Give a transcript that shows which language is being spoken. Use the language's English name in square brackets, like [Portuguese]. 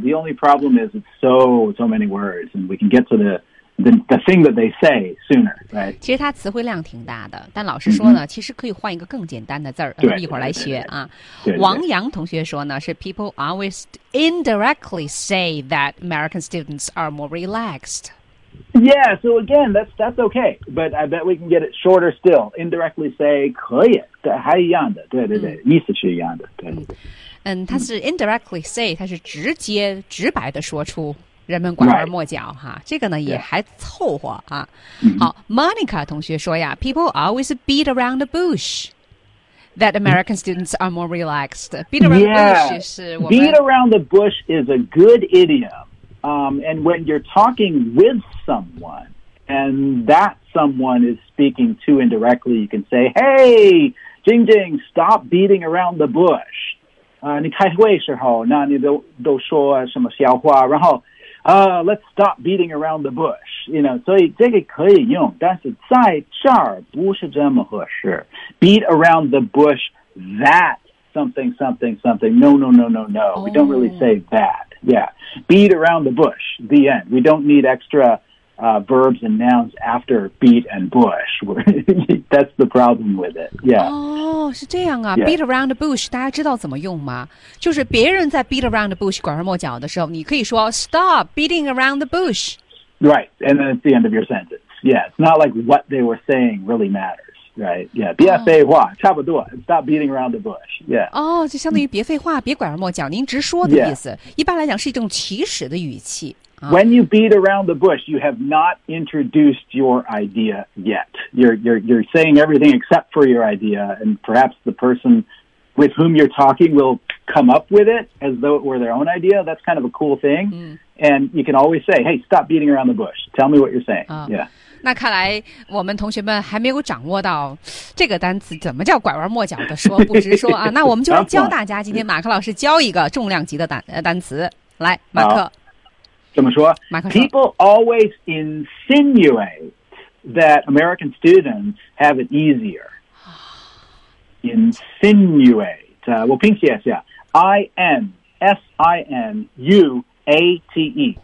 [English] The only problem is it's so many words, and we can get to the thing that they say sooner, right? [Chinese] 其实它词汇量挺大的，但老实说呢、 mm-hmm. 其实可以换一个更简单的字儿，对，一会儿来学啊。对。王阳同学说呢，是 [English] people always indirectly say that American students are more relaxed. Yeah, so again, that's okay, but I bet we can get it shorter still. Indirectly say [Chinese] 可以，还一样的，对对对、意思是一样的，对。它是 [English] indirectly say, [Chinese] 它是直接直白的说出。人们拐弯抹角、 [English] right. [Chinese] 哈，这个呢、 [English] yeah. [Chinese] 也还凑合啊。 Mm-hmm. [English] 好 ，Monica [Chinese] 同学说呀 [English] ，People always beat around the bush that American students are more relaxed. Beat around、 yeah. the bush [Chinese] 是我们。 [English] Beat around the bush is a good idiom. And when you're talking with someone, and that someone is speaking too indirectly, you can say, "Hey, Jing Jing, stop beating around the bush." [Chinese] 你开会时候，那你都说什么笑话，然后。 [English] Let's stop beating around the bush, you know, [Chinese] 所以这个可以用，但是在这儿不是这么合适。 [English] Beat around the bush that something, something, something. No. Oh. We don't really say that. Yeah. Beat around the bush, the end. We don't need extra, verbs and nouns after beat and bush. That's the problem with it. Yeah. [Chinese] Oh, 是这样啊。 [English] Yeah. [Chinese] Beat around the bush, 大家知道怎么用吗？就是别人在 [English] beat around the bush, [Chinese] 拐弯抹角的时候，你可以说 [English] stop beating around the bush. Right. And then it's the end of your sentence. Yeah. It's not like what they were saying really matters. Right, yeah, [Chinese] 别废话、 [English] oh. [Chinese] 差不多 [English] stop beating around the bush, yeah. [Chinese] 哦、oh, 就相当于别废话、别拐弯抹角您直说的意思、 [English] yeah. [Chinese] 一般来讲是一种起始的语气。 [English] When you beat around the bush, you have not introduced your idea yet. You're saying everything except for your idea, and perhaps the person with whom you're talking will come up with it as though it were their own idea. That's kind of a cool thing.、And you can always say, hey, stop beating around the bush. Tell me what you're saying,、yeah. [Chinese] 那看来我们同学们还没有掌握到这个单词怎么叫拐弯抹角的说不直说啊。那我们就来教大家，今天马克老师教一个重量级的单词。来，马克。怎么说 [English] ？People always insinuate that American students have it easier. Insinuate. [Chinese] 我拼写一下 [English] ，insinuate.